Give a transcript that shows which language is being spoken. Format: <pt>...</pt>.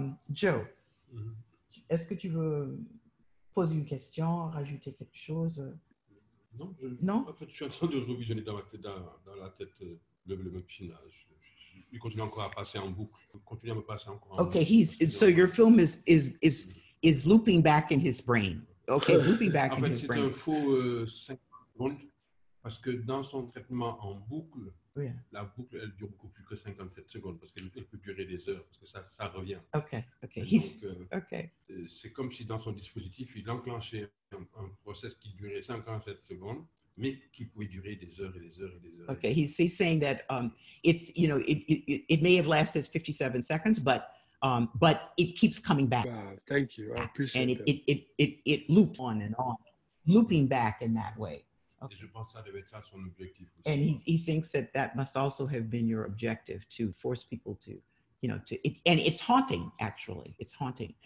<fr>Joe, est-ce que tu veux poser une question, rajouter quelque chose? Non. En fait, je suis en train de revisionner dans la tête le même film. Il continue encore à passer en boucle. Continue à me passer encore. En okay. Boucle.</fr> <en>So your film is looping back in his brain. Okay, looping back</en> <fr>en fait,</fr> <en>in his brain.</en> <fr>En fait, c'est un faux synchrone parce que dans son traitement en boucle, la boucle, elle dure beaucoup plus que 57 secondes parce qu'elle peut durer des heures parce que ça revient.</fr> <en>Okay. Okay.</en> <fr>C'est comme si dans son dispositif, il enclenchait un process qui durait 57 secondes, mais qui pouvait durer des heures et des heures et des heures.</fr> <en>Okay, he's saying that it's, you know, it may have lasted 57 seconds, but but it keeps coming back. Wow, thank you. I appreciate it. And it loops on and on, looping back in that way. Okay. And he thinks that must also have been your objective to force people to, you know, and it's haunting, actually. It's haunting.</en>